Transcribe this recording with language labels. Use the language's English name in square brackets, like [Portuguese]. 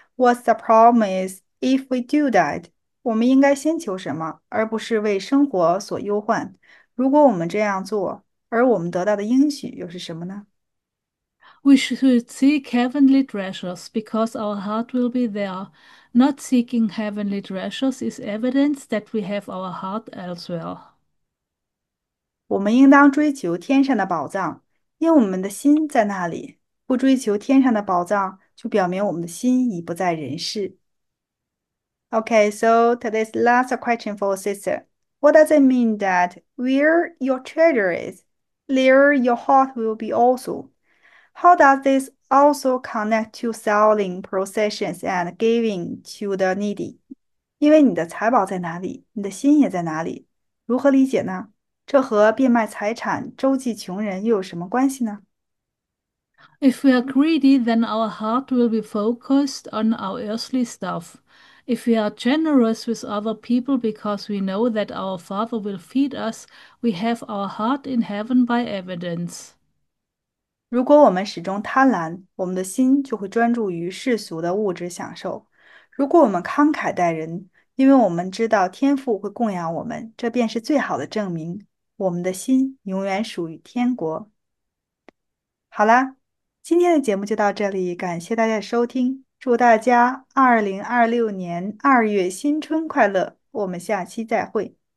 [English] What's the promise if we do that? [Chinese] 我们应该先求什么，而不是为生活所忧患？如果我们这样做，而我们得到的应许又是什么呢？ [English] We should seek heavenly treasures because our heart will be there. Not seeking heavenly treasures is evidence that we have our heart elsewhere. [Chinese] 我们应当追求天上的宝藏。因为我们的心在那里，不追求天上的宝藏，就表明我们的心已不在人世。 [English] Okay, so today's last question for sister. What does it mean that where your treasure is, there your heart will be also? How does this also connect to selling possessions and giving to the needy? [Chinese] 因为你的财宝在哪里，你的心也在哪里，如何理解呢？这和变卖财产周济穷人又有什么关系呢？ [English] If we are greedy, then our heart will be focused on our earthly stuff. If we are generous with other people because we know that our Father will feed us, we have our heart in heaven by evidence. [Chinese] 如果我们始终贪婪，我们的心就会专注于世俗的物质享受；如果我们慷慨待人，因为我们知道天父会供养我们，这便是最好的证明。我们的心永远属于天国。好啦，今天的节目就到这里，感谢大家的收听，祝大家2026年2月新春快乐，我们下期再会。